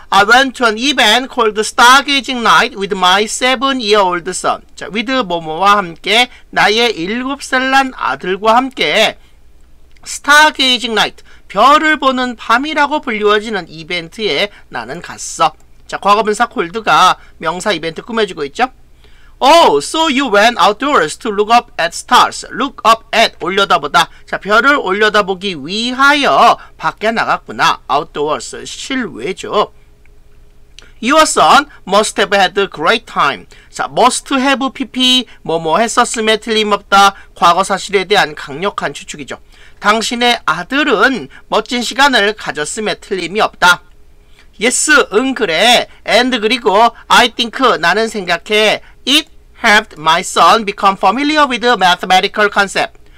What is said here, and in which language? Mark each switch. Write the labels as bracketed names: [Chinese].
[English] I went to an event called Stargazing Night with my 7-year-old son. [Korean] 자, with 모모와 함께 나의 7살 난 아들과 함께 Stargazing Night, 별을 보는 밤이라고 불리워지는 이벤트에 나는 갔어. 자, 과거분사 콜드가 명사 이벤트 꾸며주고 있죠. [English] Oh, so you went outdoors to look up at stars. Look up at, 올려다보다. [Korean] 자, 별을 올려다보기 위하여 밖에 나갔구나. Outdoors, 실외죠. [English] Your son must have had a great time. [Korean] 자, [English] must have pp, [Korean] 뭐뭐 했었음에 틀림없다. 과거 사실에 대한 강력한 추측이죠. 당신의 아들은 멋진 시간을 가졌음에 틀림이 없다. Yes, 응, 그래. And 그리고 [English] I think, [Korean] 나는 생각해. [English] It helped my son become familiar with mathematical concept.